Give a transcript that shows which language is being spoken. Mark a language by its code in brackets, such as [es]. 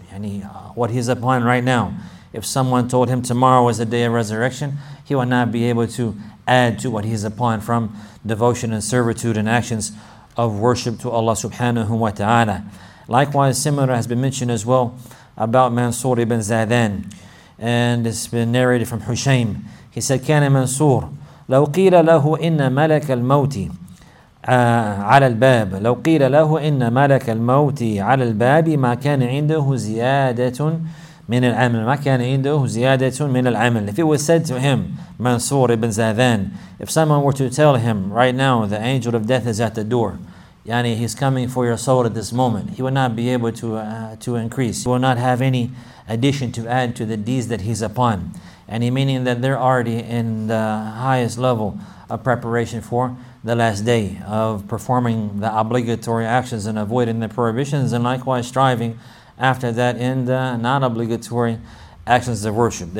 [en] And what he's upon right now, if someone told him tomorrow is the day of resurrection, he would not be able to add to what he's upon from devotion and servitude and actions of worship to Allah subhanahu wa ta'ala. Likewise, similar has been mentioned as well about Mansur ibn Zaidan. And it's been narrated from Hushaym. He said, [ar] كَانَ مَنْصُورٌ لَوْ قِيلَ لَهُ إِنَّ مَلَكَ الْمَوْتِ على الباب لو قيل له إن ملك الموت على الباب ما كان عنده زيادة من العمل ما كان عنده زيادة من العمل. [en] If it was said to him, Mansur ibn Zaidan, if someone were to tell him right now the angel of death is at the door, yani he's coming for your soul at this moment, he would not be able to increase, he will not have any addition to add to the deeds that he's upon, and he meaning that they're already in the highest level of preparation for the last day of performing the obligatory actions and avoiding the prohibitions, and likewise striving after that in the non-obligatory actions of worship.